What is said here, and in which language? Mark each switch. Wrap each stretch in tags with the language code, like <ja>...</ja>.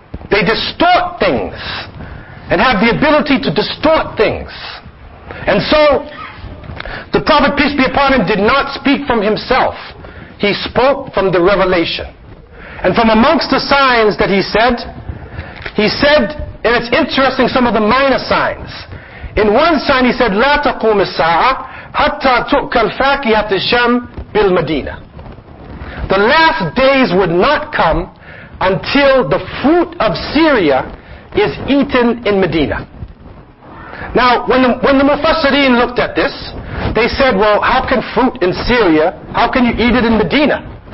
<en>They distort things and have the ability to distort things. And so, the Prophet, peace be upon him, did not speak from himself. He spoke from the revelation. And from amongst the signs that he said, and it's interesting, some of the minor signs. In one sign he said,</en> <ar>لَا تَقُومِ السَّاعَةَ حَتَّى تُؤْكَ الْفَاكِهَةِ الشَّمْ بِالْمَدِينَةِ.</ar> <en>The last days would not come until the fruit of Syria is eaten in Medina. Now, when the Mufassirin looked at this, they said, well, how can fruit in Syria, how can you eat it in Medina?</en>